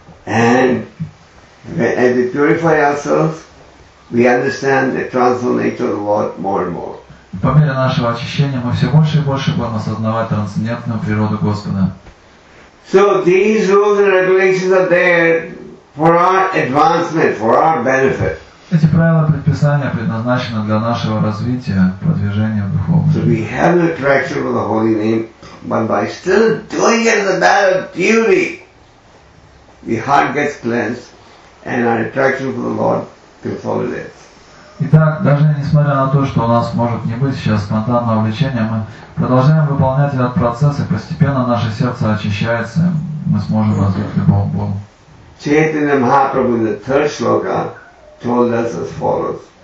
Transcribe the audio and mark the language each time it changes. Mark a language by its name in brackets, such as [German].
[English] And as we purify ourselves, we understand the transcendental nature of the Lord more and more. [Russian] По мере нашего очищения мы все больше и больше будем осознавать трансцендентную природу Господа. [English] So these rules and regulations are there for our advancement, for our benefit. [Russian] Эти правила предписания предназначены для нашего развития, продвижения в духовном. [English] So we have an attraction for the holy name, but by still doing it as a matter of duty, the heart gets cleansed. And our attraction for the Lord consolidates. [Russian] Итак, даже несмотря на то, что у нас может не быть сейчас спонтанного влечения, мы продолжаем выполнять этот процесс, и постепенно наше сердце очищается, мы сможем развить любовь к Богу. [English] Чайтанья Махапрабху in the third shloka told us as follows.